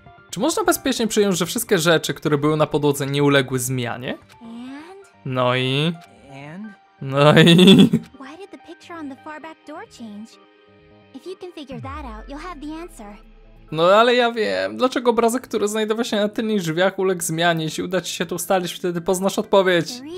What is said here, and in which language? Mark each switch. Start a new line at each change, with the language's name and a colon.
Polish: Czy można bezpiecznie przyjąć, że wszystkie rzeczy, które były na podłodze, nie uległy zmianie? No i... No i...
English: Why did the picture on the far back door change? If you can figure that out, you'll have the answer.
Polish: No ale ja wiem, dlaczego obrazek, który znajdował się na tylnych drzwiach, uległ zmianie? Jeśli uda ci się to ustalić, wtedy poznasz odpowiedź.